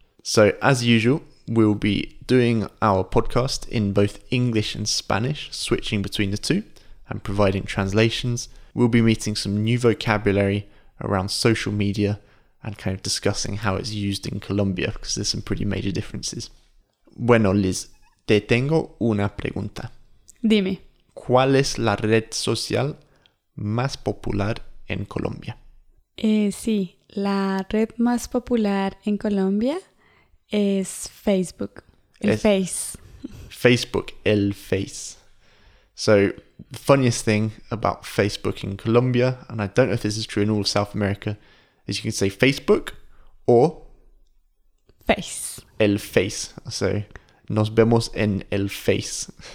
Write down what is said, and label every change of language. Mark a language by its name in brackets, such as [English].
[English] So, as usual, we'll be doing our podcast in both English and Spanish, switching between the two and providing translations. We'll be meeting some new vocabulary around social media and kind of discussing how it's used in Colombia because there's some pretty major differences. [Spanish] Bueno, Liz, te tengo una pregunta. Dime. ¿Cuál es la red social más popular en Colombia? Sí, la red más popular en Colombia es Facebook, el Es Face. Facebook, el Face. [English] So, the funniest thing about Facebook in Colombia, and I don't know if this is true in all of South America, is you can say Facebook or Face. [Spanish] el Face. So, nos vemos en el Face.